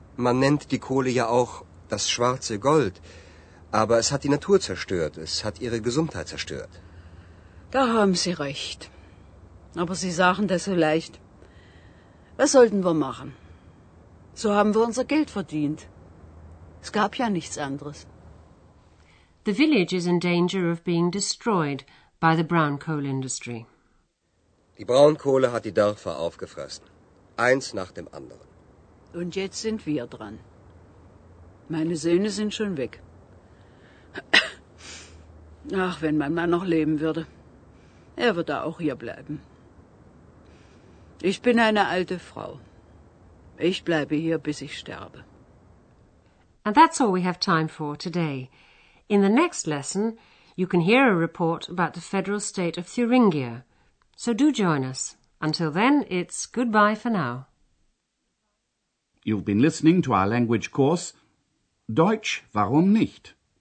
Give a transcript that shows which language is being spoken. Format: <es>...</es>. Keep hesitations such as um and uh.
<de>Man nennt die Kohle ja auch das schwarze Gold, aber es hat die Natur zerstört, es hat ihre Gesundheit zerstört. Da haben Sie recht. Aber Sie sagen das so leicht. Was sollten wir machen? So haben wir unser Geld verdient. Es gab ja nichts anderes.</de> <en>The village is in danger of being destroyed by the brown coal industry.</en> <de>Die Braunkohle hat die Dörfer aufgefressen. Eins nach dem anderen. Und jetzt sind wir dran. Meine Söhne sind schon weg. Ach, wenn mein Mann noch leben würde. Er würde auch hier bleiben. Ich bin eine alte Frau. Ich bleibe hier, bis ich sterbe.</de> <en>And that's all we have time for today. In the next lesson, you can hear a report about the federal state of Thuringia. So do join us. Until then, it's goodbye for now. You've been listening to our language course, Deutsch, warum nicht?</en>